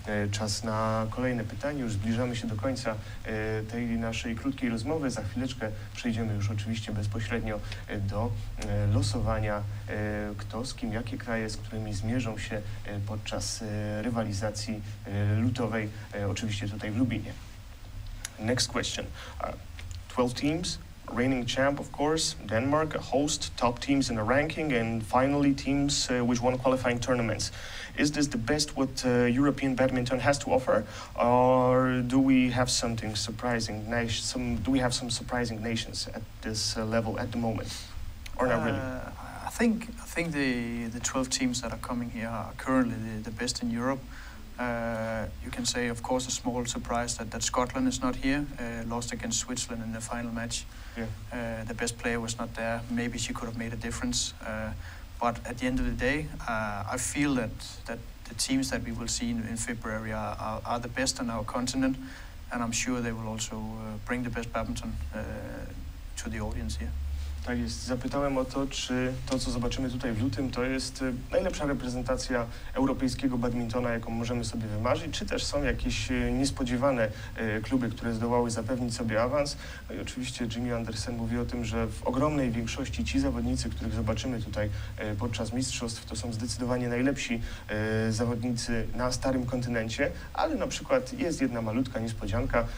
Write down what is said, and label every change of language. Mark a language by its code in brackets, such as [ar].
[pl] Czas na kolejne pytanie. Już zbliżamy się do końca tej naszej krótkiej rozmowy. Za chwileczkę przejdziemy już oczywiście bezpośrednio do losowania, kto z kim, jakie kraje, z którymi zmierzą się podczas rywalizacji lutowej, oczywiście tutaj w Lublinie. [en] Next question. 12 teams, reigning champ, of course, Denmark, a host, top teams in the ranking, and finally teams which won qualifying tournaments. Is this the best what European badminton has to offer, or do we have something surprising? Do we have some surprising nations at this level at the moment, or not really? I think the 12 teams that are coming here are currently the best in Europe. You can say, of course, a small surprise that Scotland is not here. Lost against Switzerland in the final match. Yeah. The best player was not there. Maybe she could have made a difference. But at the end of the day, I feel that the teams that we will see in February are the best on our continent, and I'm sure they will also bring the best badminton to the audience here. [pl] Tak jest. Zapytałem o to, czy to, co zobaczymy tutaj w lutym, to jest najlepsza reprezentacja europejskiego badmintona, jaką możemy sobie wymarzyć, czy też są jakieś niespodziewane kluby, które zdołały zapewnić sobie awans. No i oczywiście Jimmy Andersen mówi o tym, że w ogromnej większości ci zawodnicy, których zobaczymy tutaj podczas mistrzostw, to są zdecydowanie najlepsi zawodnicy na starym kontynencie, ale na przykład jest jedna malutka niespodzianka.